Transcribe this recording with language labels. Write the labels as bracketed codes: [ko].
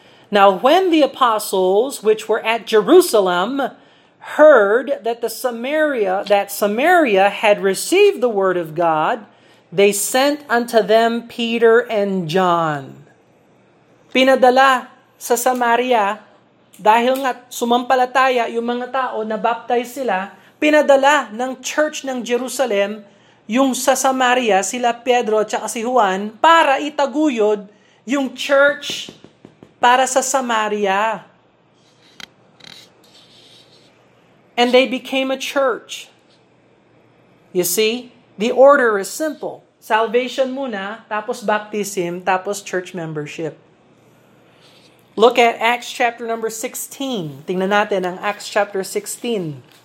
[en] Now when the apostles which were at Jerusalem heard that Samaria had received the word of God, they sent unto them Peter and John. [tl] Pinadala sa Samaria, dahil nga sumampalataya yung mga tao, nabaptize sila, pinadala ng church ng Jerusalem yung sa Samaria, sila Pedro at si Juan, para itaguyod yung church para sa Samaria. [en] And they became a church. You see? The order is simple. Salvation muna, tapos baptism, tapos church membership. Look at Acts chapter number 16. [tl] Tingnan natin ang [en] Acts chapter 16.